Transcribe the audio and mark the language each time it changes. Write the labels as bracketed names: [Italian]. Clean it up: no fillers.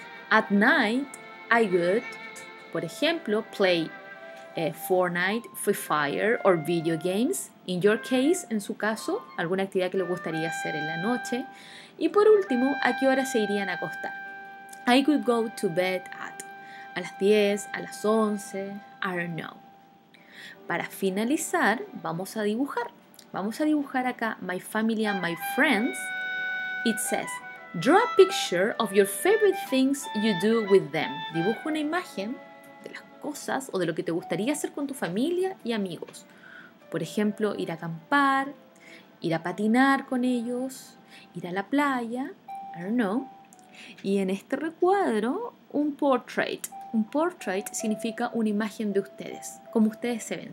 [English] At night, I would, [Spanish] por ejemplo, [English] play Fortnite, Free Fire or video games. In your case, [Spanish] en su caso, alguna actividad que le gustaría hacer en la noche. Y por último, ¿a qué hora se irían a acostar? [English] I could go to bed at [Spanish] a las 10, a las 11, [English] I don't know. [Spanish] Para finalizar, vamos a dibujar. Vamos a dibujar acá [English] my family and my friends. It says, draw a picture of your favorite things you do with them. [Spanish] Dibujo una imagen de las cosas o de lo que te gustaría hacer con tu familia y amigos. Por ejemplo, ir a acampar, ir a patinar con ellos, ir a la playa, [English] I don't know. [Spanish] Y en este recuadro, un portrait. Un portrait significa una imagen de ustedes. Como ustedes se ven.